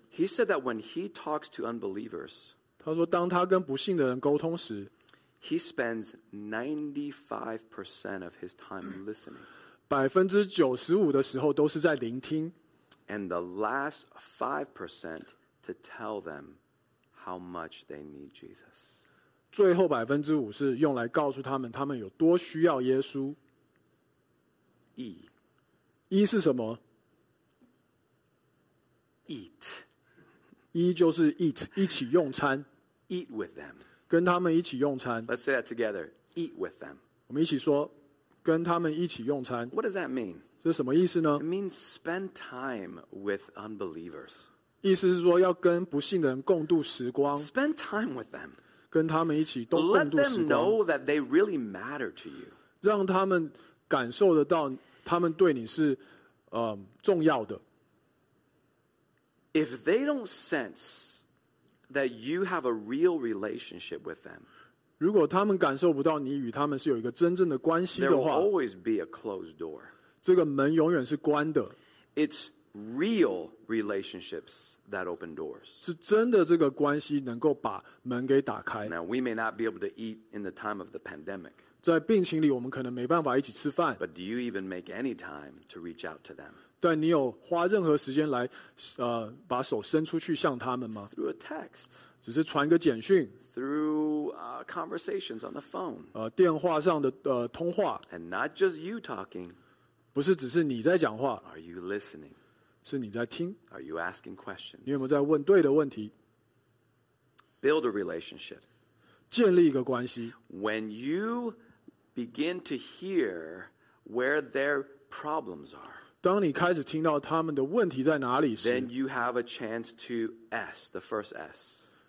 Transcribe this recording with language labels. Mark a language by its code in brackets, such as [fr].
[en] He said that when he talks to unbelievers, [zh] 他说当他跟不信的人沟通时, [en] he spends 95% of his time listening. [zh] 95%的时候都是在聆听, [en] and the last 5% to tell them how much they need Jesus. [zh] 最后5%是用来告诉他们他们有多需要耶稣。 [en] E. [zh] E是什么? [en] Eat. [zh] E就是eat, 一起用餐。 [en] Eat with them. [zh] 跟他们一起用餐。 [en] Let's say that together. Eat with them. [zh] 我们一起说, 跟他们一起用餐。 [en] What does that mean? [zh] 这是什么意思呢? [en] It means spend time with unbelievers. [zh] 意思是说要跟不信的人共度时光。 [en] Spend time with them. [zh] 跟他们一起共度时光。 [en] Let them know that they really matter to you. [zh] 让他们感受得到他们对你是, 重要的。 [en] If they don't sense that you have a real relationship with them, [zh] 如果他们感受不到你与他们是有一个真正的关系的话, [en] there will always be a closed door. [zh] 这个门永远是关的。 [en] It's real relationships that open doors. [zh] 是真的这个关系能够把门给打开。 [en] Now, we may not be able to eat in the time of the pandemic. [zh] 在病情里我们可能没办法一起吃饭。 [en] But do you even make any time to reach out to them? [zh] 但你有花任何时间来, 把手伸出去向他们吗? [en] Through a text. [zh] 只是传个简讯。 [en] Through conversations on the phone. [zh] 电话上的, 通话。 [en] And not just you talking. [zh] 不是只是你在讲话。 [en] Are you listening? [zh] 是你在听。 [en] Are you asking questions? [zh] 你有没有在问对的问题? [en] Build a relationship. [zh] 建立一个关系。 [en] When you begin to hear where their problems are, [zh] 当你开始听到他们的问题在哪里时, [en] then you have a chance to S, the first S.